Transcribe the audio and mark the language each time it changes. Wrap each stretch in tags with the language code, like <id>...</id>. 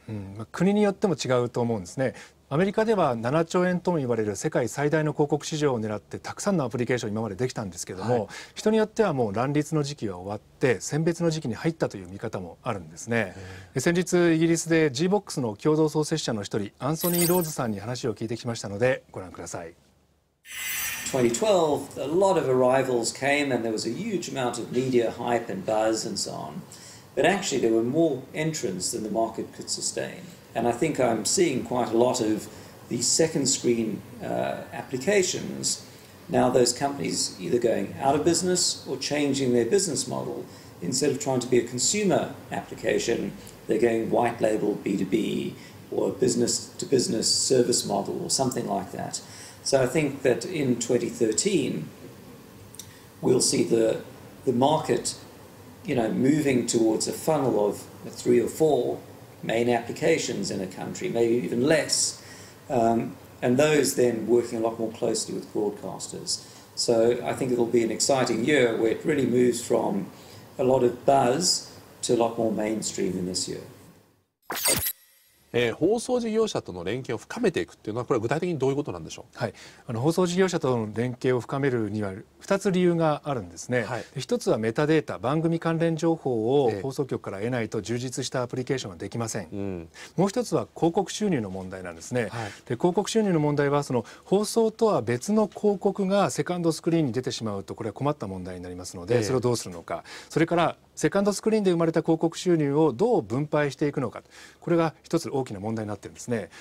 <ja>うん、国によっても違うと思うんですね。アメリカでは7兆円ともいわれる世界最大の広告市場を狙ってたくさんのアプリケーション今までできたんですけども、はい、人によってはもう乱立の時期は終わって選別の時期に入ったという見方もあるんですね。先日イギリスで ZBOX の共同創設者の一人アンソニー・ローズさんに話を聞いてきましたのでご覧ください。</ja> <en>2012, a lot of arrivals came and there was a huge amount of media hype and buzz and so on. But actually there were more entrants than the market could sustain. And I think I'm seeing quite a lot of the second screen applications. Now those companies either going out of business or changing their business model. Instead of trying to be a consumer application, they're going white label B2B or business to business service model or something like that. So I think that in 2013, we'll see the market, you know, moving towards a funnel of three or four main applications in a country, maybe even less, and those then working a lot more closely with broadcasters. So I think it'll be an exciting year where it really moves from a lot of buzz to a lot more mainstream in this year.</en> <ja>放送事業者との連携を深めていくっていうのは、これは具体的にどういうことなんでしょう。はい、放送事業者との連携を深めるには2つ理由があるんですね。はい、1つはメタデータ、番組関連情報を放送局から得ないと充実したアプリケーションができません。もう1つは広告収入の問題なんですね。はい、で広告収入の問題は、その放送とは別の広告がセカンドスクリーンに出てしまうと、これは困った問題になりますので、それをどうするのか、それからセカンドスクリーンで生まれた広告収入をどう分配していくのか、これが一つ大きな問題になっているんですね。</ja>